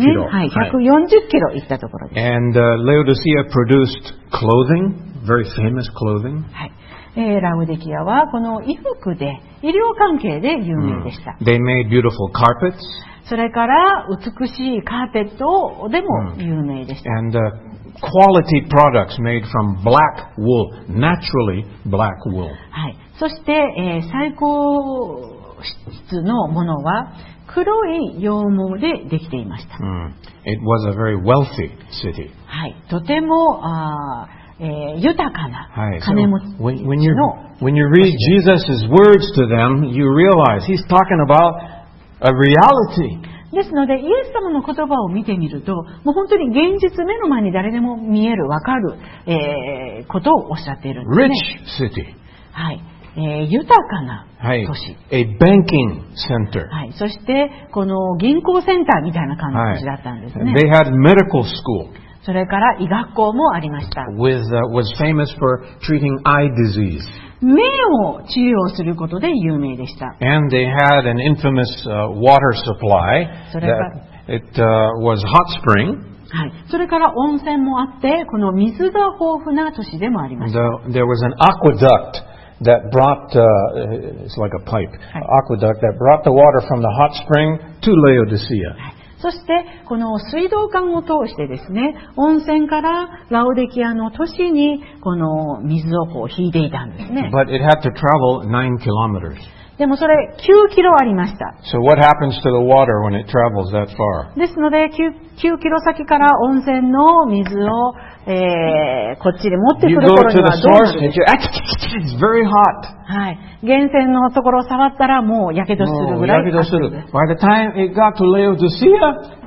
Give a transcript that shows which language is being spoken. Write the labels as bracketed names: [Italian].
[Japanese] 140キロ行ったところです。 [English] And Laodicea produced clothing, very famous clothing. [Japanese] はい。ラオディキアはこの衣服で、医療関係で有名でした。 [English] They made beautiful carpets. [Japanese] それから美しいカーペットでも有名でした。 [English] And quality products made from black wool, naturally black wool. [Japanese] はい。そして、最高質のものは黒い羊毛でできていました。 [English] It was a very wealthy city. [Japanese] はい。とても、豊かな金持ちの。 [English] So, when you read Jesus' words to them, you realize he's talking about a reality. [Japanese] ですので、イエス様の言葉を見てみると、もう本当に現実目の前に誰でも見える、わかる、ことをおっしゃっているんですね。 [English] Rich city. [Japanese] はい。豊かな都市、 [English] a banking center. [Japanese] はい、そしてこの銀行センターみたいな感じだったんですね。 [English] They had medical school. [Japanese] それから医学校もありました。 [English] Was famous for treating eye disease. [Japanese] 目を治療することで有名でした。 [English] And they had an infamous water supply. [Japanese] それから [English] it was hot spring. [Japanese] はい、それから温泉もあって、この水が豊富な都市でもありました。 [English] There was an aqueduct. That brought it's like a pipe, aqueduct that brought the water from the hot spring to Laodicea. [Japanese] そしてこの水道管を通してですね、温泉からラオデキアの都市にこの水をこう引いていたんですね。 [English] But it had to travel 9 kilometers. [Japanese] でもそれ9キロありました。 [English] So what happens to the water when it travels that far? [Japanese] ですので 9キロ先から温泉の水をこっちで持ってくるところにはどうなるんですか。 [English] It's very hot. [Japanese] はい、源泉のところを触ったらもうやけどするぐらい。やけどする。 [English] By the time it got to Laodicea,